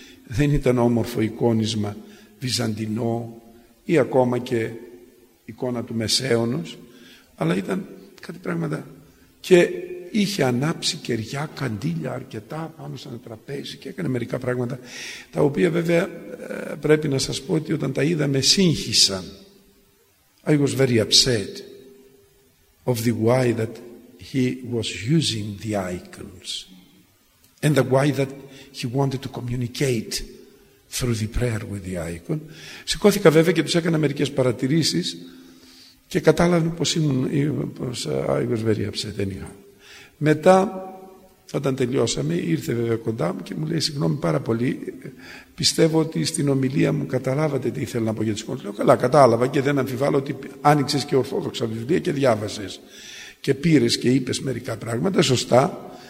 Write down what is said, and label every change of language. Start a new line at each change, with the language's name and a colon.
Greek: Δεν ήταν όμορφο εικόνισμα βυζαντινό ή ακόμα και εικόνα του Μεσαίωνος, αλλά ήταν κάτι πράγματα. Και είχε ανάψει κεριά, καντήλια αρκετά πάνω σε ένα τραπέζι και έκανε μερικά πράγματα, τα οποία βέβαια πρέπει να σας πω ότι όταν τα είδα με σύγχυσαν.
English: I was very upset of the way that he was using the icons and the way that he wanted to communicate through the prayer with the icon.
Greek: Σηκώθηκα βέβαια και τους έκανα μερικές παρατηρήσεις και κατάλαβαν πως ήμουν, πως
English: I was very upset anyhow.
Greek: Μετά, όταν τελειώσαμε, ήρθε βέβαια κοντά μου και μου λέει συγγνώμη πάρα πολύ, πιστεύω ότι στην ομιλία μου καταλάβατε τι ήθελα να πω για τις εικόνες. Λέω καλά, κατάλαβα και δεν αμφιβάλλω ότι άνοιξες και ορθόδοξα βιβλία και διάβασες και πήρες και είπες μερικά πράγματα σωστά.